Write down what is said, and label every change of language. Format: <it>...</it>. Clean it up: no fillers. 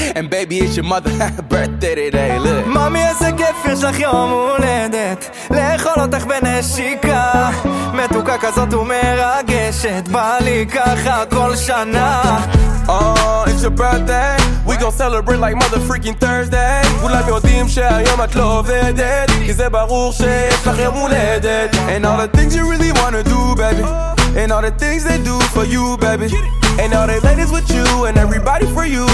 <en>Baby, it's your mother's birthday today, look</en> <he>Mami, איזה כיף יש לך יום הולדת לאכול אותך בנשיקה מתוקה כזאת ומרגשת בא לי ככה כל שנה</he> <en>Oh, it's your birthday We gon' celebrate like mother freaking Thursday</en> <he>כולם יודעים שהיום את לא עובדת כי זה ברור שיש לך יום הולדת</he> <en>And all the things you really wanna do, baby And all the things they do for you, baby. And all the ladies with you and everybody for you.</en>